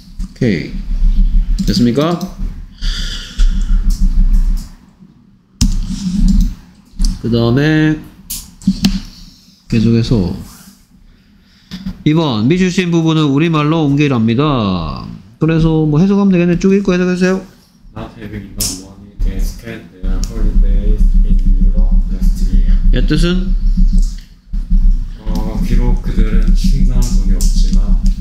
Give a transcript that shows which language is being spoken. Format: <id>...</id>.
<ko>오케이 됐습니까? 그 다음에 계속해서 2번 미주신 부분은 우리말로 옮기랍니다. 그래서 뭐 해석하면 되겠네. 쭉 읽고 해석하세요.</ko> <en>Not having enough money to spend their holiday in Europe last year.</en> <ko>얘 뜻은? 비록 그들은 충분한 돈이 없지만</ko>